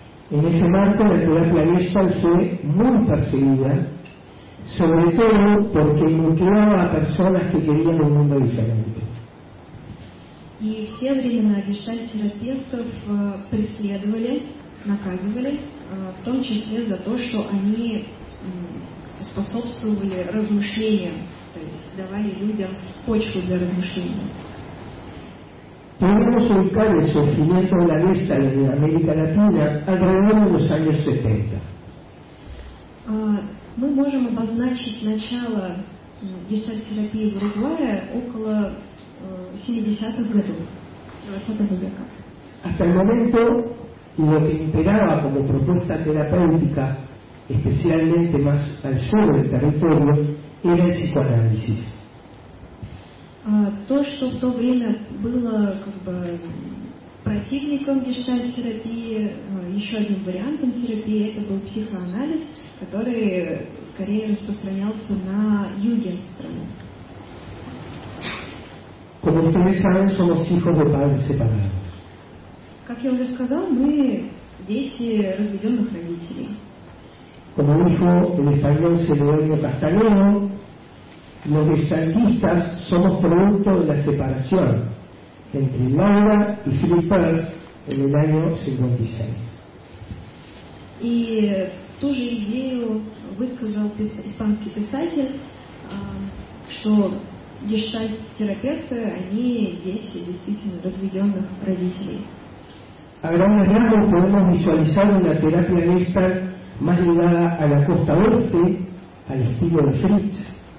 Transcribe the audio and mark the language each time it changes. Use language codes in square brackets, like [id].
[es] En ese marco, la terapia gestal fue muy perseguida, sobre todo porque motivaba a personas que querían un mundo diferente. [ru] И в те времена гештальт-терапевтов преследовали, наказывали, в том числе за то, что они способствовали размышлениям, то есть давали людям почву для размышления. [es] Podemos ubicar el surgimiento de la gesta en América Latina alrededor de los años 70. [ru] Мы можем обозначить начало гештальт-терапии в Уругвае около 70-х годов, 20-го века. [es] Hasta el momento, lo que imperaba como propuesta terapéutica especialmente más al sur del territorio, era el psicoanálisis. [ru] То, что в то время было как бы противником гештальт-терапии, еще одним вариантом терапии, это был психоанализ, который скорее распространялся на юге страны. [es] Como ustedes saben, somos hijos de padres separados. [ru] Как я уже сказал, мы дети разведенных родителей. [es] Como dijo el español Celedonio Castañeda, los gestaltistas somos producto de la separación entre Laura y Philip Perls en el año 56. [ru] Y ту же идею высказал испанский писатель, что гештальт-терапевты, они дети действительно разведенных родителей. [es] A grandes rasgos podemos visualizar una terapia gestalt más ligada a la costa oeste, al estilo de Fritz.